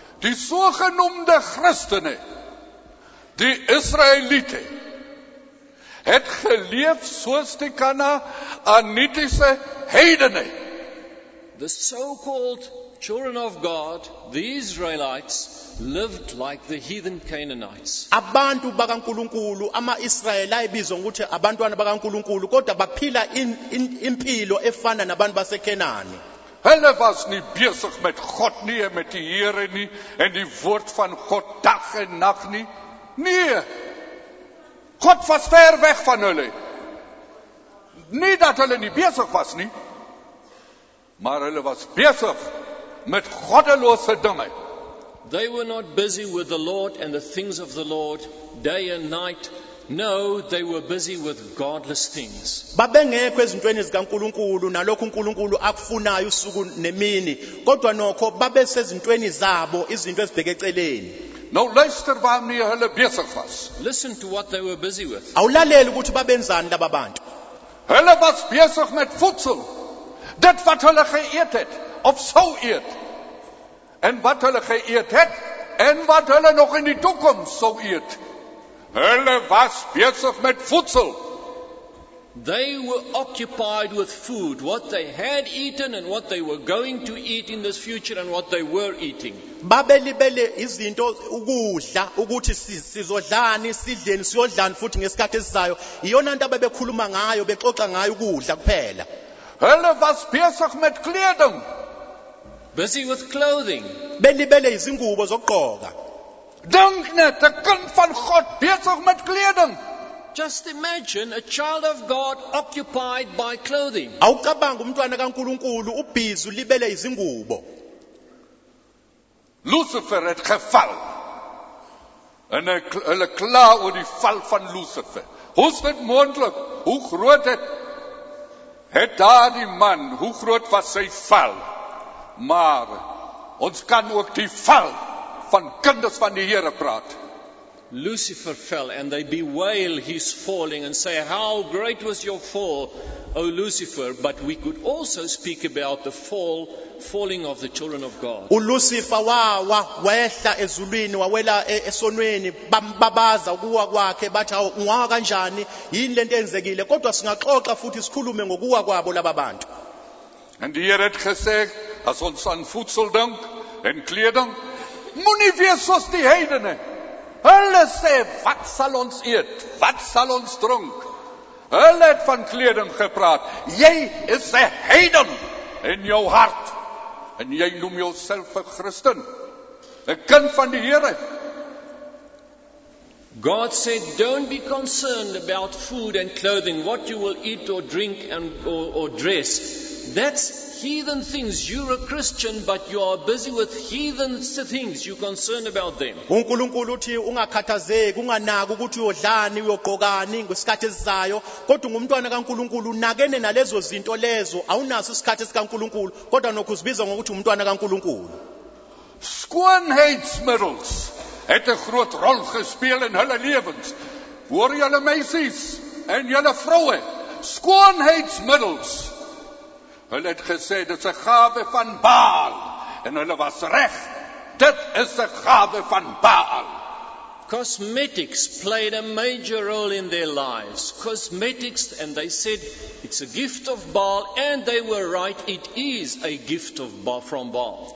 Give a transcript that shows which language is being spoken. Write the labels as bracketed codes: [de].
[af] Die sogenoemde Christene, die Israelite, het geleef soos die Kanaanitiese heidene. [en] The so-called children of God, the Israelites, lived like the heathen Canaanites. [zu] Abantu bakaNkulunkulu, ama-Israeli ayibizwa ngokuthi abantwana bakaNkulunkulu, kodwa baphila impilo efana nabantu baseKenani. [af] Hulle was nie besig met God nie, met die Here nie, en die woord van God dag en nag nie. Nee, God was ver weg van hulle. Nie dat hulle nie besig was nie, maar hulle was besig met goddelose dinge. [en] They were not busy with the Lord and the things of the Lord day and night. No, they were busy with godless things. [zu] Babengekho ezintweni zikaNkulunkulu nalokho uNkulunkulu akufunayo usuku nemini, kodwa nokho babesezintweni zabo, izinto ezibhekeceleni. [af] Nou luister waarmee hulle besig was. [en] Listen to what they were busy with. [zu] Awulaleli ukuthi babenzani laba bantu. [af] Hulle was besig met voedsel. Dit wat hulle geëet het of sou eet. En wat hulle geëet het en wat hulle nog in die toekoms sou eet. Hulle was besig met voedsel. [en] They were occupied with food, what they had eaten and what they were going to eat in this future and what they were eating. [zu] Babelibele izinto ukudla ukuthi sizodlani sidleni siyodlani futhi ngesikhathi esizayo, iyona nto ababekhuluma ngayo bexoxa ngayo ukudla kuphela. [af] Hulle was besig met kleding. [en] Busy with clothing. [zu] Belibele izingubo zokugqoka. [af] Dink net, 'n kind van God besig met kleding. [en] Just imagine a child of God occupied by clothing. [zu] Awukabanga umntwana kaNkuluNkulu ubhizi libele izingubo. [af] Lucifer het geval. En hulle kla oor die val van Lucifer. Hoe's dit moontlik? Hoe groot het daardie man? Hoe groot was sy val? Maar ons kan ook die val van kinders van die Here praat. [en] Lucifer fell, and they bewail his falling and say, how great was your fall, O Lucifer? But we could also speak about the falling of the children of God. [zu] U Lucifer wawa wehla ezulwini wawela esonweni bambabaza ukuwa kwakhe bathi awanga kanjani yini lento yenzekile kodwa singaxoxa futhi sikhulume ngokuwa kwabo laba bantu. [en] And the [af] Here het gesê as ons aan voedsel dink en kleding moenie wees soos die heidene. Hulle sê, wat sal ons eet? Wat sal ons drink? Hulle het van kleding gepraat. Jy is 'n heiden in jou hart. En jy noem jouself 'n Christen. 'N kind van die Here. [en] God said, don't be concerned about food and clothing, what you will eat or drink and or dress. That's heathen things. You're a Christian, but you are busy with heathen things. You're concerned about them. [zu] UNkulunkulu uthi ungakhathazeki, unganaki ukuthi uyodlani, uyogqokani ngesikhathi esizayo. Kodwa ungumntwana kaNkulunkulu, unakene nalezo zinto lezo, awunaso isikhathi sikaNkulunkulu, kodwa nokho uzibiza ngokuthi umntwana kaNkulunkulu. [af] Skoonheidsmiddels het 'n groot rol gespeel in hulle lewens. Hoor julle meisies en julle vroue, skoonheidsmiddels. Hulle het gesê, dit is 'n gawe van Baal. En hulle was reg. Dit is 'n gawe van Baal. [en] Cosmetics played a major role in their lives. Cosmetics, and they said, it's a gift of Baal. And they were right, it is a gift of Baal, from Baal.